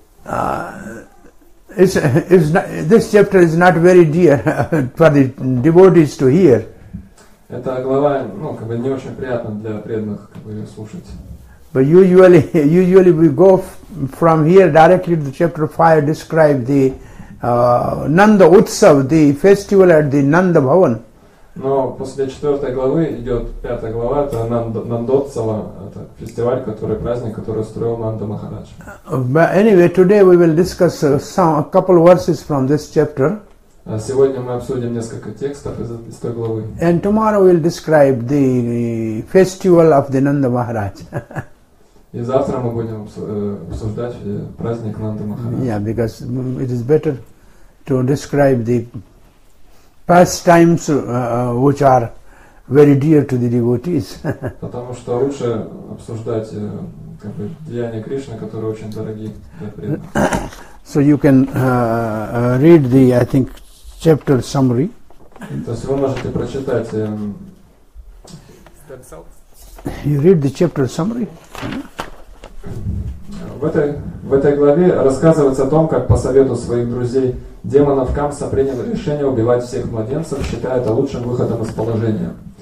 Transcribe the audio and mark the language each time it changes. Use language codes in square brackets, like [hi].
[en] This chapter is not very dear for the devotees to hear. [ru] Эта глава, ну, как бы не очень приятна для преданных, как бы ее слушать. [en] But usually we go from here directly to the chapter 5, describe the Nanda Utsav, the festival at the Nanda Bhavan. [ru] Но после четвертой главы идет пятая глава, это Нандотсава, это фестиваль, который праздник, который устроил Нанда Махарадж. [en] But anyway, today we will discuss a couple of verses from this chapter. [ru] Сегодня мы обсудим несколько текстов из той главы. [en] And tomorrow we'll describe the festival of the Nanda Maharaj. [ru] И завтра мы будем обсуждать праздник Нанда Махарадж. [en] Yeah, because it is better to describe the pastimes which are very dear to the devotees. [ru] Потому что лучше обсуждать как бы деяния Кришны, которые очень дороги для преданных. [en] So you can read the, I think, chapter summary. [ru] То есть вы можете прочитать. [en] You read the chapter summary. [ru] В этой главе рассказывается о том, как по совету своих друзей демонов Камса принял решение убивать всех младенцев, считая это лучшим выходом из положения.